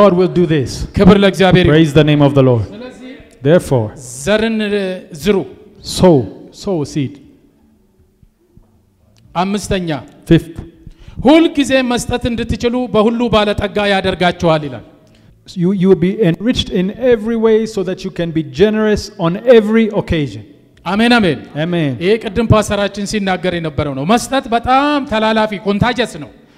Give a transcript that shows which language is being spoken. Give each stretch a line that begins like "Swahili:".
English: God will do this
Amharic: ክብር ለእግዚአብሔር
English: Praise the name of the Lord Therefore
Amharic: ዘርን ዝሩ
English: sow seed
Amharic: አምስተኛ
English: fifth
Amharic: ሁሉ ጊዜ መስጠት እንድትችሉ በሁሉ ባለ ጠጋ ያደርጋችኋል ይላል
English: you will be enriched in every way so that you can be generous on every occasion
Amharic: አሜን አሜን አሜን ይሄ ቅድም ፓስተራችን ሲናገር የነበረው ነው መስጠት በጣም ተላላፊ ኮንታጀስ ነው